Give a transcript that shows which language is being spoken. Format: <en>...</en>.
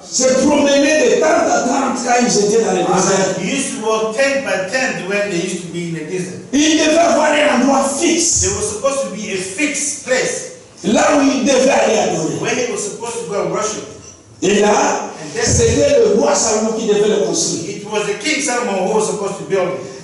<fr>se promenait de temps en temps quand ils étaient dans le désert.</fr> <en>He used to walk tent by tent when they used to be in the desert.</en> <fr>Il devait avoir un endroit fixe.</fr> <en>There was supposed to be a fixed place.</en> <fr>Là où il devait aller adorer.</fr> <en>Where he was supposed to go and worship.</en> <fr>Et là, c'était le roi Salomon qui devait le construire.</fr> <en>It was Because the king Solomon was supposed to build it.</en>